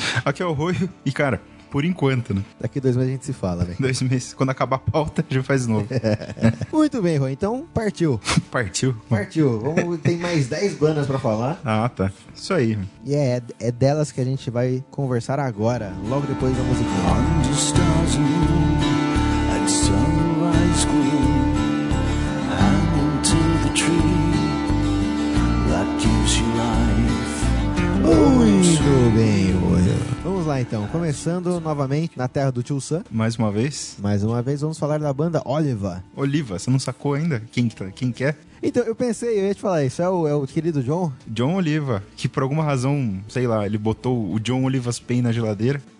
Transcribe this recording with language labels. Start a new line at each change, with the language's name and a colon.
Portuguese: Aqui é o Roio e, cara, por enquanto, né? Daqui 2 meses a gente se fala, né? 2 meses. Quando acabar a pauta, a gente faz novo. Muito bem, Roy. Então, partiu. Partiu. Partiu. Tem mais 10 bandas pra falar. Ah, tá. Isso aí. E é delas que a gente vai conversar agora, logo depois da música.
English: Under stars and moon, at sunrise green, hanging to the tree that gives you life.
Portuguese: Muito bem, Roy. Vamos lá então, começando novamente na terra do Tio Sam. Mais uma vez. Mais uma vez, vamos falar da banda Oliva. Oliva, você não sacou ainda quem que é? Então, eu pensei, eu ia te falar isso, é o querido John? John Oliva, que por alguma razão, sei lá, ele botou o John Oliva's Pain na geladeira.